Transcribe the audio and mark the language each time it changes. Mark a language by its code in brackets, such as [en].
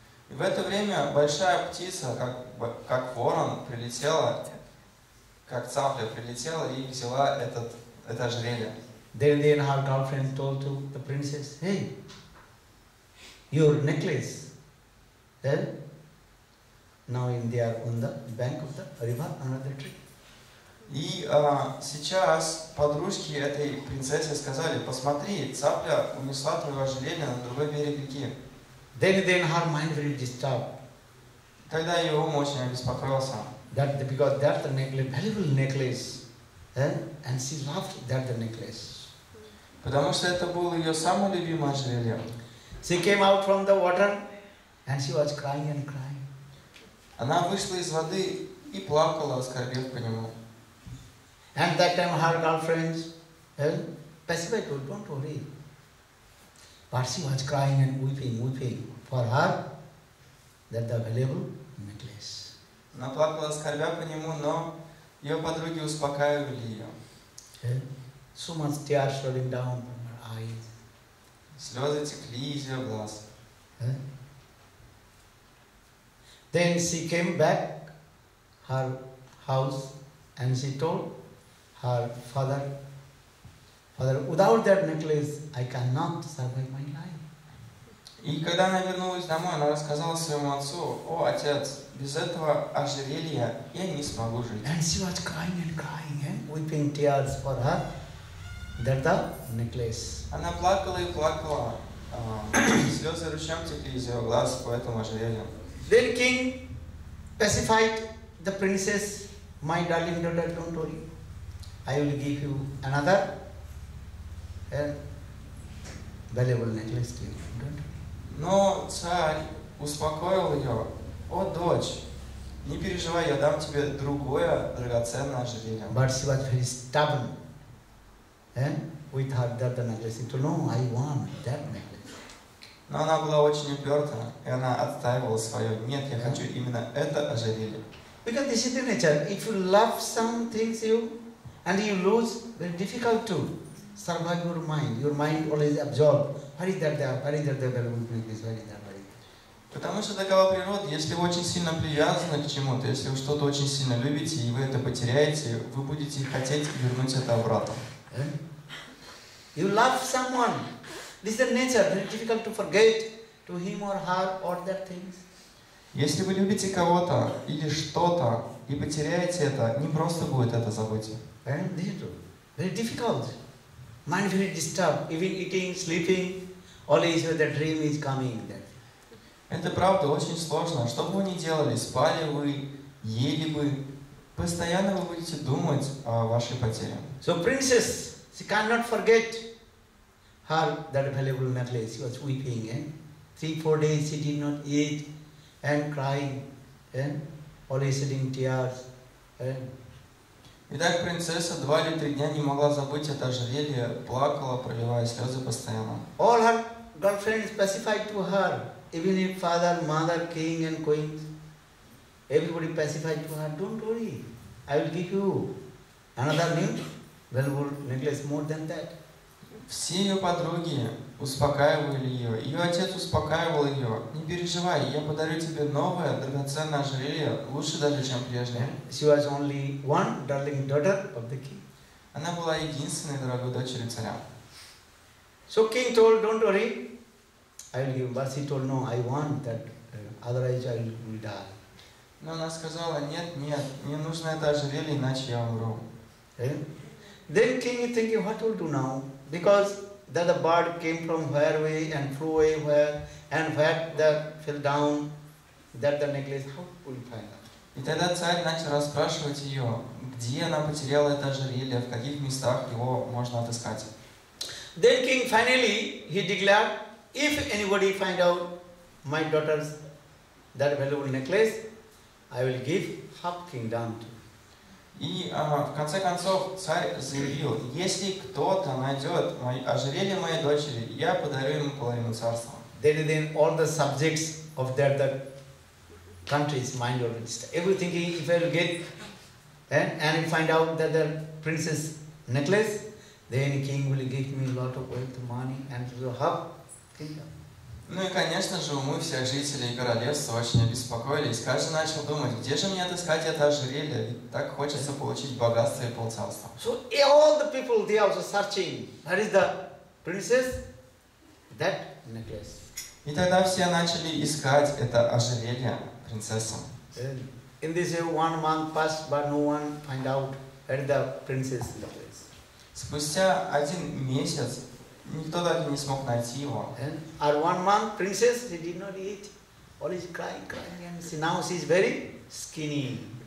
[ru] И в это время большая птица, как ворон, прилетела, как цапля прилетела и взяла это ожерелье. [en] Then her girlfriend told to the princess, "Hey, your necklace, now in there on the bank of the river, another tree." [ru] И сейчас подружки этой принцессы сказали: «Посмотри, цапля унесла твое ожерелье на другой берег реки». [en] Then her mind really disturbed. [ru] Тогда ее ум очень обеспокоился. [en] That because that the necklace, valuable necklace, and she loved that the necklace. [ru] Потому что это было ее самое любимое ожерелье. [en] She came out from the water, And she was crying and crying. [ru] Она вышла из воды и плакала, оскорбив по нему. [en] And that time her girlfriends, pacified, don't worry. But she was crying and weeping for her that the valuable necklace. [ru] Она плакала, оскорбя по нему, но ее подруги успокаивали ее. [en] So much tears rolling down from her eyes. [ru] Слезы текли из ее глаз. [en] Then she came back her house and she told her father, father, without that necklace I cannot survive my life. [ru] И когда она вернулась домой, она рассказала своему отцу: «О, отец, без этого ожерелья я не смогу жить». [en] And she was crying and crying, weeping tears for her that the necklace. [ru] Она плакала и плакала, слезы ручьем текли из ее глаз по этому ожерелью. [en] Then king pacified the princess, my darling daughter, don't worry, I will give you another valuable necklace to you, don't worry. [ru] Но царь успокоил ее: «О, дочь, не переживай, я дам тебе другое драгоценное ожерелье». [en] But she was very stubborn, with her daughter necklace, she said, no, I want that necklace. [ru] Но она была очень уперта, и она отстаивала свое: «Нет, я хочу именно это ожерелье». [en] Because this is the nature. If you love some things you and you lose, very difficult to survive your mind. Your mind always absorbed. Where is that there? Where is that there? Where is that? Where is that? [ru] Потому что такова природа. Если вы очень сильно привязаны к чему-то, если вы что-то очень сильно любите, и вы это потеряете, вы будете хотеть вернуть это обратно. [en] You love someone. This is the nature, very difficult to forget to him or her or their things. [ru] Если вы любите кого-то или что-то и потеряете это, не просто будет это забыть. [en] This is true. Very difficult. Mind very disturbed. Even eating, sleeping, always the dream is coming there. [ru] Это правда, очень сложно. Что бы вы ни делали, спали вы, ели бы, постоянно вы будете думать о вашей потере. [en] So princess, she cannot forget her that valuable necklace. She was weeping, Three, 4 days she did not eat and crying, always shedding tears. [ru] Итак, принцесса 2 или 3 дня не могла забыть это ожерелье, плакала, проливая слезы постоянно. [en] All her girlfriends pacified to her, even her father, mother, king and queens. Everybody pacified to her. Don't worry, I will give you another new valuable necklace, more than that. [ru] Все ее подруги успокаивали ее, ее отец успокаивал ее: «Не переживай, я подарю тебе новое драгоценное ожерелье, лучше даже, чем прежнее». [en] She was only one darling daughter of the king. [ru] Она была единственной дорогой дочерью царя. [en] So king told, don't worry, I will give. But she told, no, I want that, otherwise I will die. [ru] Но она сказала: «Нет, нет, мне нужно это ожерелье, иначе я умру». [en] Then king is thinking, what will do now? Because that the bird came from where way and flew away where and where the fell down, that the necklace, how will you find out? [ru] И тогда царь начал расспрашивать ее, где она потеряла это ожерелье, в каких местах его можно отыскать. [en] Then king finally he declared, if anybody find out my daughter's that valuable necklace, I will give half kingdom to. [ru] И в конце концов царь заявил: если кто-то найдет ожерелье моей дочери, я подарю ему половину царства. [en] Then all the subjects of that the country's mind will register. Everything if I will get and find out that the princess necklace, then king will give me a lot of wealth, money and to have kingdom. [ru] Ну и конечно же умы всех жителей королевства очень обеспокоились. Каждый начал думать, где же мне отыскать это ожерелье? Так хочется получить богатство и полцарства. [en] So all the people they also searching. Where is the princess? That necklace. [ru] И тогда все начали искать это ожерелье принцессу. [en] In this one month passed, but no one find out where the princess necklace. [ru] Спустя 1 месяц никто даже не смог найти его. [en] And one month princess she did not eat, always crying, and she, now she is very skinny.